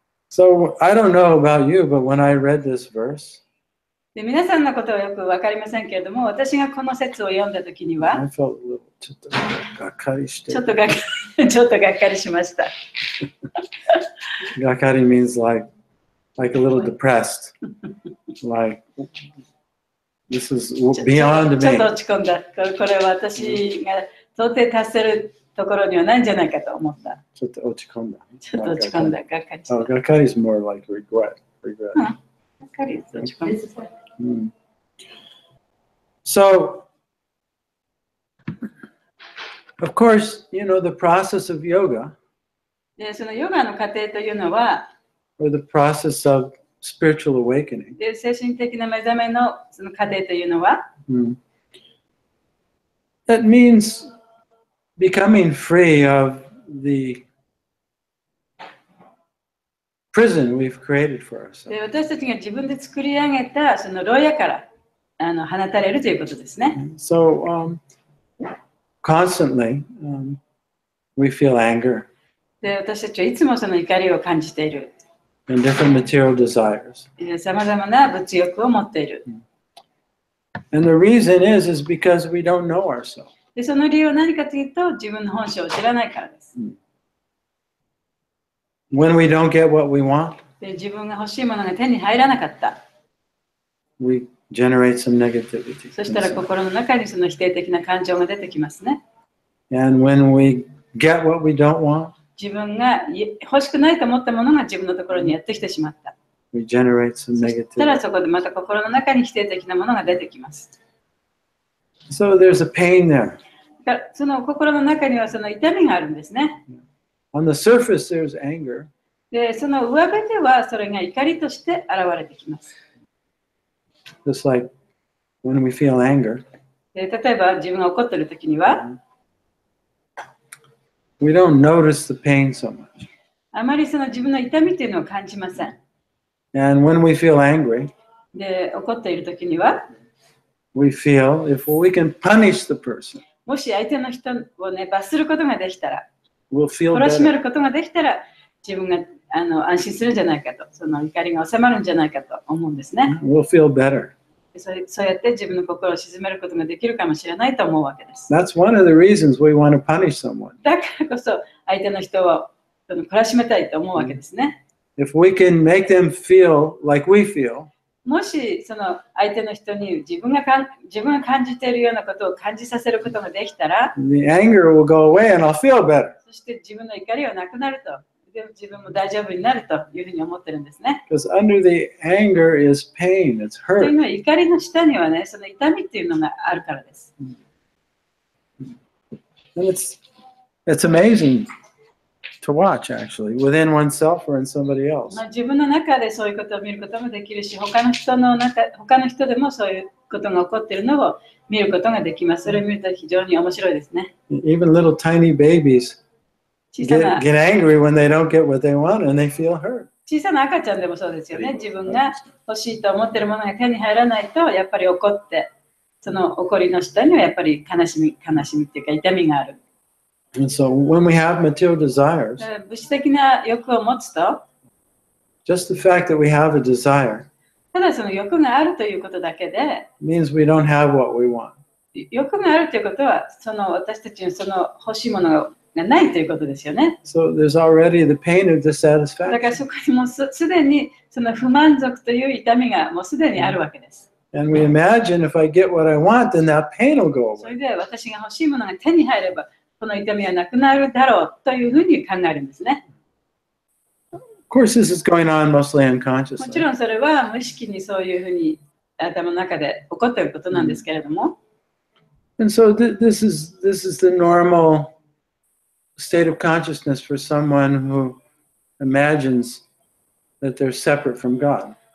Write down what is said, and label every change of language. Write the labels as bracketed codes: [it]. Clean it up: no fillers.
[en] So, I don't know about you, but when I read this verse, [ja] で皆さんのことはよく分かりませんけれども、私がこの節を読んだときには、ちょっとがっかりしました。 [en] がっかり means like a little depressed. Like, this is beyond me. [ja] ちょっと落ち込んだ。これは私が到底達せるところにはないんじゃないかと思った。ちょっと落ち込んだ。ちょっと落ち込んだ。がっかりした。 [en] Oh, がっかり is more like regret. [ja] がっかり、落ち込んだ。 [en] So, of course, you know, the process of yoga, [ja] でそのヨガの過程というのは [en] or the process of spiritual awakening, [ja] で精神的な目覚めのその過程というのは [en] that means becoming free of the prison we've created for ourselves. [ja] で私たちが自分で作り上げたその牢屋から放たれるということですね。 [en] So, constantly, we feel anger. [ja] で私たちはいつもその怒りを感じている。 [en] And different material desires. [ja] さまざまな物欲を持っている。 [en] And the reason is because we don't know ourselves. [ja] でその理由は何かというと、自分の本性を知らないからです。 [en] When we don't get what we want, [ja] 自分が欲しいものが手に入らなかった。 [en] We generate some negativity. [ja] そしたら心の中にその否定的な感情が出てきますね。 [en] And when we get what we don't want, [ja] 自分が欲しくないと思ったものが自分のところにやってきてしまった。 [en] We generate some negativity. [ja] そしたらそこでまた心の中に否定的なものが出てきます。 [en] So there's a pain there. [ja] だからその心の中にはその痛みがあるんですね。 [en] On the surface, there's anger. [ja] で、その上辺ではそれが怒りとして現れてきます。 [en] Just like when we feel anger. [ja] で、例えば自分が怒ってる時には、 [en] We don't notice the pain so much. [ja] あまりその自分の痛みというのを感じません。 [en] And when we feel angry, [ja] で、怒っている時には、 [en] We feel if we can punish the person. [ja] もし相手の人を、ね、罰することができたら、 [en] We'll、feel [ja] 懲らしめることができたら自分が安心するんじゃないかと、その怒りが収まるんじゃないかと思うんですね。 [en] We'll、feel better. [ja] そうやって自分の心を鎮めることができるかもしれないと思うわけです。 [en] That's one of the reasons we want to punish someone. [ja] だからこそ相手の人を懲らしめたいと思うわけですね。 [en] If we can make them feel like we feel, [ja] もしその相手の人に自分が感じているようなことを感じさせることができたら、 [en] The anger will go away and I'll feel better. [ja] そして自分の怒りはなくなると、でも自分も大丈夫になるというふうに思ってるんですね。 [en] Because under the anger is pain, it's hurt. [ja] というのは怒りの下にはね、その痛みっていうのがあるからです。 [en] And it's amazing to watch actually, within oneself or in somebody else. [ja] まあ自分の中でそういうことを見ることもできるし、他の人でもそういうことが起こっているのを見ることができます。それを見ると非常に面白いですね。 [en] Even little tiny babies. Get angry when they don't get what they want and they feel hurt. [ja] 小さな赤ちゃんでもそうですよね。自分が欲しいと思っているものが手に入らないとやっぱり怒って、その怒りの下にはやっぱり悲しみっていうか痛みがある。 [en] And so when we have material desires, [ja] 物質的な欲を持つと、 [en] just the fact that we have a desire, [ja] ただその欲があるということだけで、 [en] means we don't have what we want. [ja] 欲があるということは、その私たちにその欲しいものをがないということですよね。 [en] So there's already the pain of dissatisfaction. [ja] だからそこにもうすでにその不満足という痛みがもうすでにあるわけです。 [en] And we imagine if I get what I want, then that pain will go away. [ja] それで私が欲しいものが手に入ればこの痛みはなくなるだろうというふうに考えるんですね。 [en] Of course, this is going on mostly unconsciously. [ja] もちろんそれは無意識にそういうふうに頭の中で起こっていることなんですけれども。 [en] And so this is the normal. State of consciousness for someone who imagines that they're separate from God.